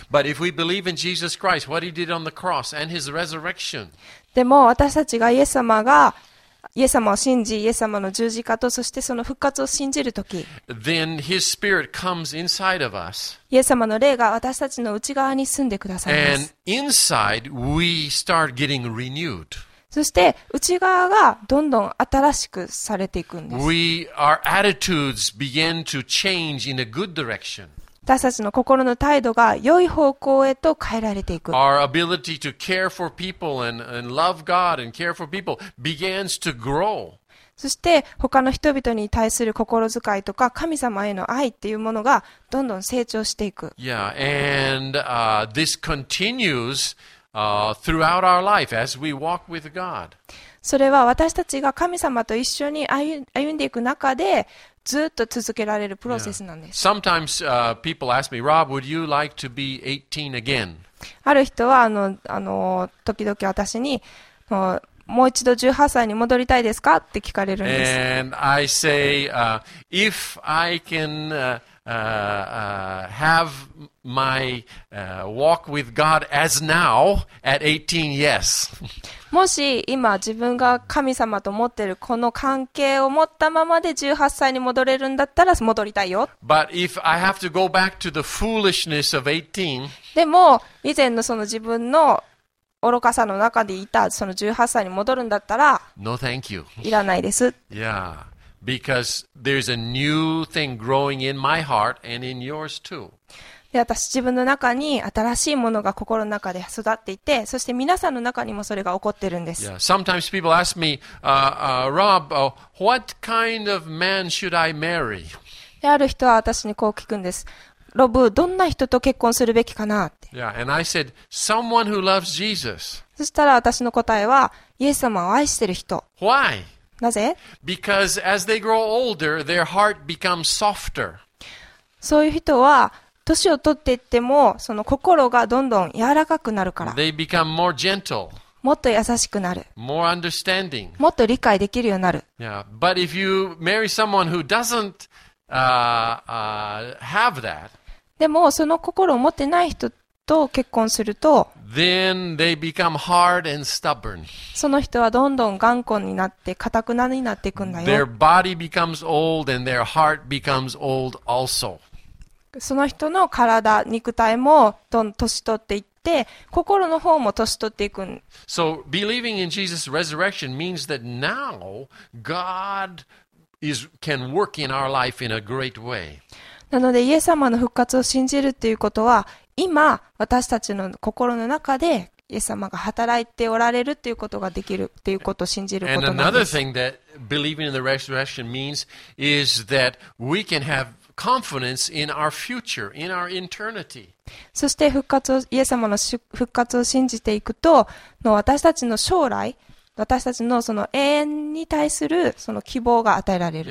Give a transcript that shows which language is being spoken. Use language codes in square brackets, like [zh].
[en] But if we believe in Jesus Christ, what He did on the cross and His resurrection. [ja] でも私たちがイエス様がイエス様を信じ、イエス様の十字架と、そしてその復活を信じるとき、 [en] Then His Spirit comes inside of us. [ja] イエス様の霊が私たちの内側に住んでくださいます。 [en] And inside we start getting renewed. [ja] そして内側がどんどん新しくされていくんです。 [en] Our attitudes begin to change in a good direction. [ja] 私たちの心の態度が良い方向へと変えられていく。 [en] Our ability to care for people and love God and care for people begins to grow. [ja] そして他の人々に対する心遣いとか神様への愛っていうものがどんどん成長していく。 [en] Yeah, and this continues throughout our life as we walk with God. [ja] それは私たちが神様と一緒に歩んでいく中でずっと続けられるプロセスなんです。 Yeah. [en] Sometimes people ask me, Rob, would you like to be 18 again? [ja] ある人は時々私にもう一度18歳に戻りたいですかって聞かれるんです。 [en] And I say, if I can have my walk with God as now at 18, yes. [ja] もし今自分が神様と持ってるこの関係を持ったままで18歳に戻れるんだったら戻りたいよ。 [en] But if I have to go back to the foolishness of 18, [ja] でも以前のその自分の愚かさの中でいたその18歳に戻るんだったら、 [en] No, thank you. [ja] いらないです。 [en] Yeah, because there's a new thing growing in my heart and in yours too. [ja] で、私自分の中に新しいものが心の中で育っていて、そして皆さんの中にもそれが起こってるんです。 [en] Yeah, sometimes people ask me, Rob, what kind of man should I marry? [ja] で、ある人は私にこう聞くんです。ロブ、どんな人と結婚するべきかなって。 [en] Yeah, and I said, someone who loves Jesus. [ja] そしたら私の答えは、イエス様を愛してる人。 [en] Why? [ja] なぜ? [en] Because as they grow older, their heart becomes softer. [ja] そういう人は、年を取っていっても、その心がどんどん柔らかくなるから。 [en] They become more gentle. [ja] もっと優しくなる。 [en] More understanding. [ja] もっと理解できるようになる。 [en] Yeah, but if you marry someone who doesn't,have that. [ja] でもその心を持ってない人と結婚すると [en] Then they become hard and stubborn. [ja] その人はどんどん頑固になって固くなになっていくんだよ [en] their body becomes old and their heart becomes old also. [ja] その人の体肉体もどんどん年取っていって心の方も年取っていく [en] So believing in Jesus' resurrection means that now Godcan work in our life in a great way. [ja] なので、イエス様の復活を信じるということは、今、私たちの心の中で、イエス様が働いておられるということができるということを信じることなんです。 [en] And another thing that believing in the resurrection means is that we can have confidence in our future, in our eternity. [ja] そして、復活を、イエス様の復活を信じていくと、の私たちの将来、私たちのその永遠に対するその希望が与えられる。